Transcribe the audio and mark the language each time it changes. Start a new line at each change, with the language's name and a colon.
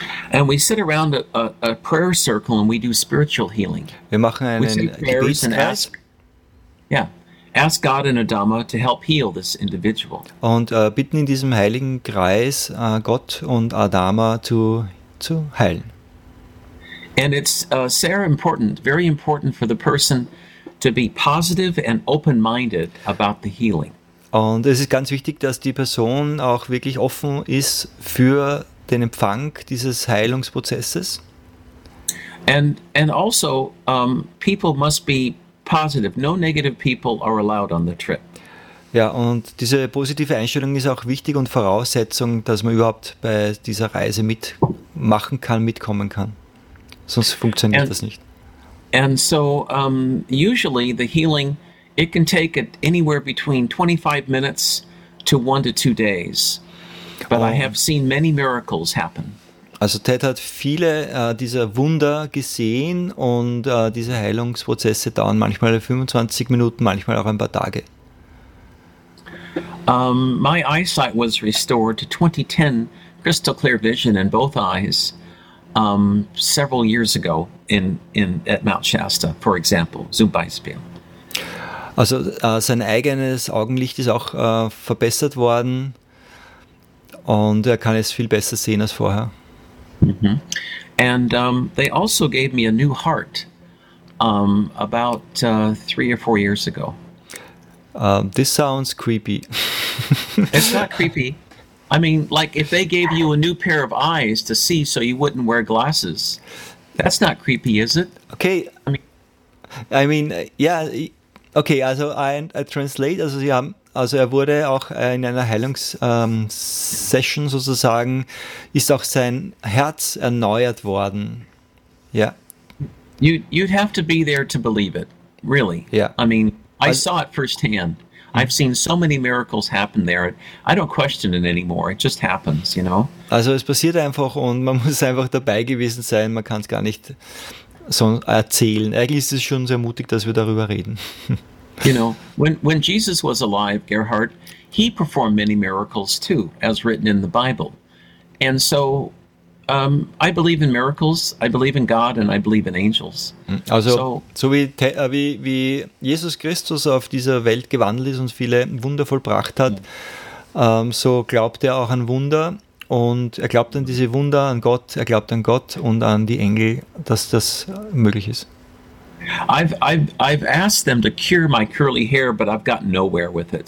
English: And we sit around a prayer circle and we do spiritual healing.
German: Wir machen einen Gebetskreis.
English: Ask God and Adama to help heal this individual.
German: Und bitten in diesem heiligen Kreis Gott und Adama zu heilen.
English: And it's very important for the person to be positive and open-minded about the healing.
German: Und es ist ganz wichtig, dass die Person auch wirklich offen ist für den Empfang dieses Heilungsprozesses.
English: And also people must be positive. No negative people are allowed on the trip.
German: Ja, und diese positive Einstellung ist auch wichtig und Voraussetzung, dass man überhaupt bei dieser Reise mitmachen kann, mitkommen kann. Sonst funktioniert das nicht.
English: And so usually the healing, it can take anywhere between 25 minutes to 1 to 2 days. But I have seen many miracles happen.
German: Also Ted hat viele dieser Wunder gesehen und diese Heilungsprozesse dauern manchmal 25 Minuten, manchmal auch ein paar Tage.
English: My eyesight was restored to 20/10 crystal clear vision in both eyes several years ago at Mount Shasta, for example,
German: zum Beispiel. Also sein eigenes Augenlicht ist auch verbessert worden und er kann es viel besser sehen als vorher. Mm-hmm.
English: And they also gave me a new heart about 3 or 4 years ago. This sounds creepy. It's not creepy. I mean, like if they gave you a new pair of eyes to see so you wouldn't wear glasses, that's not creepy, is it? Okay. I mean, yeah.
German: Okay, also
English: I translate,
German: also Sie haben, also er wurde auch in einer Heilungssession sozusagen, ist auch sein Herz erneuert worden. Ja.
English: You'd have to be there to believe it, really. Yeah. I mean, I saw it firsthand. I've seen so many miracles happen there. I don't question it anymore. It just happens, you know.
German: Also es passiert einfach und man muss einfach dabei gewesen sein. Man kann es gar nicht so erzählen. Eigentlich ist es schon sehr mutig, dass wir darüber reden.
English: You know, when Jesus was alive, Gerhard, he performed many miracles too, as written in the Bible. And so I believe in miracles, I believe in God and I believe in angels.
German: Also so wie Jesus Christus auf dieser Welt gewandelt ist und viele Wunder vollbracht hat, yeah. So glaubt er auch an Wunder und er glaubt an diese Wunder, an Gott, er glaubt an Gott und an die Engel, dass das möglich ist.
English: I've asked them to cure my curly hair, but I've gotten nowhere with it.